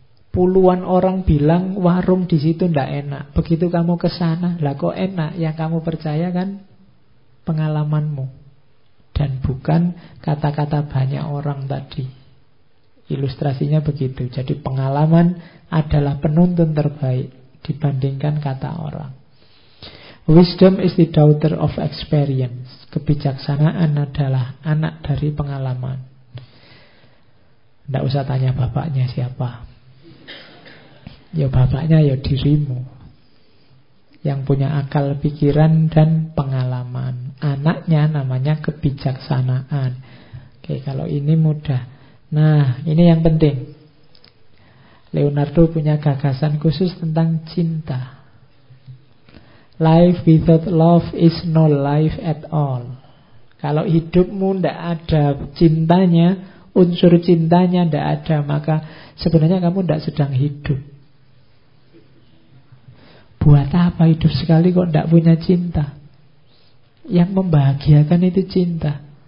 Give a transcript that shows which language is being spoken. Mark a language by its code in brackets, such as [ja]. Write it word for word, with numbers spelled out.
[id] Puluhan orang bilang warung di situ ndak enak. Begitu kamu ke sana, lah kok enak? Yang kamu percaya kan pengalamanmu dan bukan kata-kata banyak orang tadi. Ilustrasinya begitu. Jadi pengalaman adalah penuntun terbaik dibandingkan kata orang. [en] Wisdom is the daughter of experience. [id] Kebijaksanaan adalah anak dari pengalaman. Tidak usah tanya bapaknya siapa. Ya bapaknya ya dirimu, yang punya akal, pikiran, dan pengalaman. Anaknya namanya kebijaksanaan. Oke, kalau ini mudah. Nah, ini yang penting. Leonardo punya gagasan khusus tentang cinta. [en] Life without love is no life at all. [id] Kalau hidupmu tidak ada cintanya, unsur cintanya tidak ada, maka sebenarnya kamu tidak sedang hidup. Buat apa hidup sekali kok tidak punya cinta? Yang membahagiakan itu cinta.